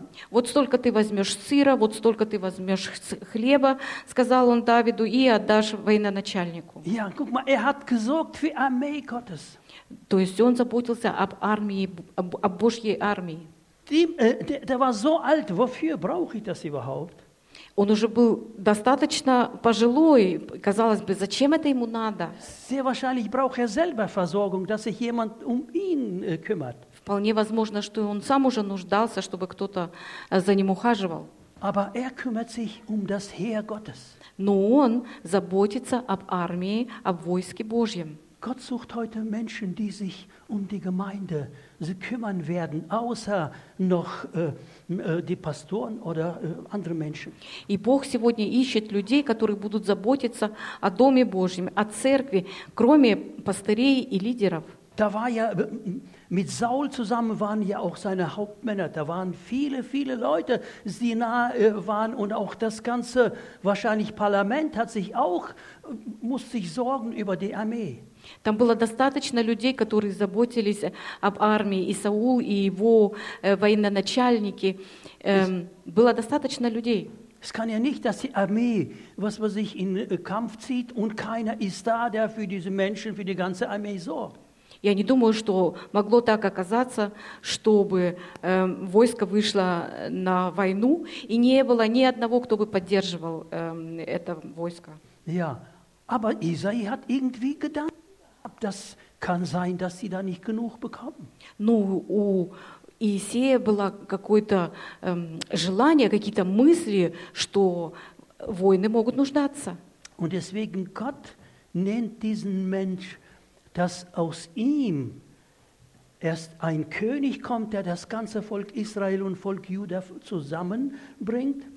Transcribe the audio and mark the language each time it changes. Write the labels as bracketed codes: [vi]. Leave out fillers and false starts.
[ru] Вот столько ты возьмешь сыра, вот столько ты возьмешь хлеба, сказал он Давиду, и отдашь военачальнику. [de] Ja, guck mal, er hat gesorgt für Armee. Gottes. [ru] То есть он заботился об армии, об Божьей армии. [de] Der war so alt, wofür brauche ich das überhaupt? [ru] Он уже был достаточно пожилой, казалось бы, зачем это ему надо? [de] Sehr wahrscheinlich braucht er selber Versorgung, dass sich jemand um ihn kümmert. [ru] Вполне возможно, что он сам уже нуждался, чтобы кто-то за ним ухаживал. [de] Aber er kümmert sich um das Heer Gottes. [ru] Но он заботится об армии, об войске Божьем. [de] Gott sucht heute Menschen, die sich um die Gemeinde sie kümmern werden, außer noch die Pastoren oder andere Menschen. [ru] И Бог сегодня ищет людей, которые будут заботиться о доме Божьем, о церкви, кроме пастырей и лидеров. [de] Da war ja mit Saul zusammen waren ja auch seine Hauptmänner. Da waren viele, viele Leute, die nah waren und auch das ganze wahrscheinlich Parlament hat sich auch muss sich sorgen über die Armee. [ru] Там было достаточно людей, которые заботились об армии, и Саул, и его военачальники. Было достаточно людей. [de] Es kann ja nicht, dass die Armee, was man sich in Kampf zieht, und keiner ist da, der für diese Menschen, für die ganze Armee sorgt. [ru] Я не думаю, что могло так оказаться, чтобы войско вышло на войну, и не было ни одного, кто бы поддерживал это войско. [de] Ja, aber Isai hat irgendwie gedacht, das kann sein, dass sie da nicht genug bekommen. [ru] Ну, у Исея было какое-то желание, какие-то мысли, что воины могут нуждаться. [de] Und deswegen Gott nennt diesen Mensch, dass aus ihm erst ein König kommt, der das ganze Volk Israel und Volk Juda zusammenbringt.